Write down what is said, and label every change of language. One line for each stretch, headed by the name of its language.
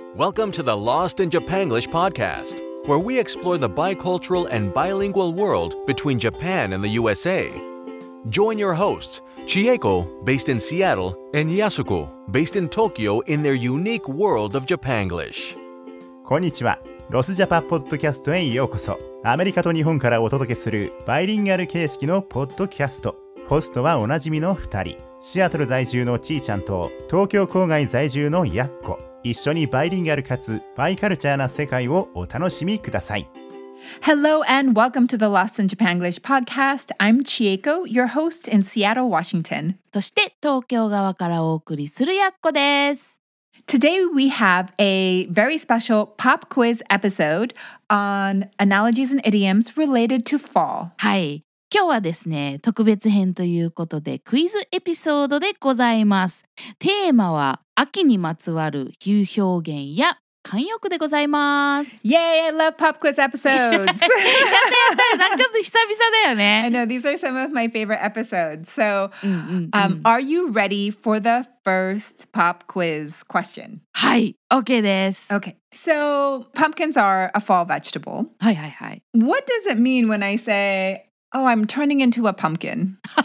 English: Welcome to the Lost in Japan English podcast, where we explore the bicultural and bilingual world between Japan and the USA. Join your hosts, Chieko, based in Seattle, and Yasuko, based in Tokyo, in their unique world of Japanglish.
Japanese: Konnichiwa. ロスジャパポッドキャストへようこそ。アメリカと日本からお届けするバイリンガル形式のポッドキャスト。ホストはおなじみの2人、シアトル在住のちーちゃんと東京郊外在住のやっこ。一緒にバイリンガルかつバイカルチャーな世界をお楽しみください。
English: Hello and welcome to the Lost in Japan English podcast. I'm Chieko, your host in Seattle, Washington.
Japanese: そして東京側からお送りするやっこです。
English: Today we have a very special pop quiz episode on analogies and idioms related to fall.
Japanese: はい。今日はですね、特別編ということでクイズエピソードでございます。テーマは秋にまつわる比喩表現や慣用句でございます。
English: Yay! I love pop quiz episodes!
Japanese: やったやった、ちょっと久々だよね。
English: I know, these are some of my favorite episodes. So, are you ready for the first pop quiz question?
Japanese: はい、OK です。
English: OK, so pumpkins are a fall vegetable.
Japanese: はいはいはい。
English: What does it mean when I say, oh, I'm turning into a pumpkin?